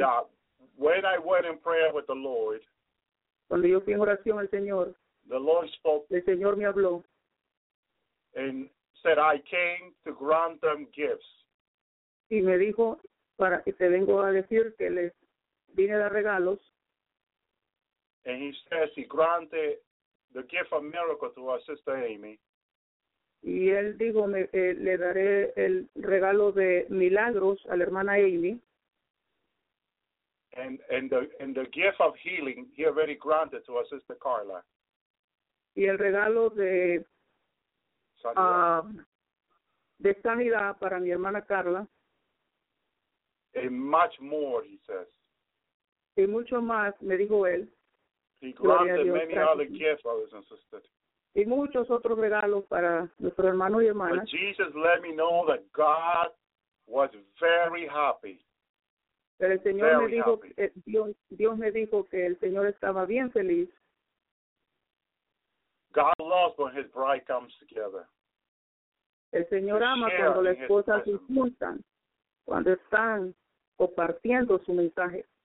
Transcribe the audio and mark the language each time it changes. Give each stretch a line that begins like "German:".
English: Yeah, when I went in prayer with the Lord,
Spanish: cuando yo fui en oración al Señor,
English: the Lord spoke,
Spanish: el Señor me habló,
English: and said, I came to grant them gifts.
Spanish: Y me dijo, para que te vengo a decir que les vine a dar regalos.
English: And he says he granted the gift of miracle to our sister Amy.
Spanish: Y él dijo, le daré el regalo de milagros a la hermana Amy.
English: And the gift of healing he already granted to our sister Carla.
Spanish: Y el regalo de sanidad para mi hermana Carla.
English: And much more, he says.
Spanish: Y mucho más, me dijo él.
English: He granted many other gifts, brothers and sisters.
Spanish: Y muchos otros regalos para nuestro hermano y hermana.
English: But Jesus let me know that God was very happy.
Spanish: Pero el Señor
English: very
Spanish: me dijo,
English: happy.
Spanish: Dios me dijo que el Señor estaba bien feliz.
English: God loves when his bride comes together.
Spanish: El Señor
English: to
Spanish: ama cuando las esposas se juntan, cuando están compartiendo su mensaje.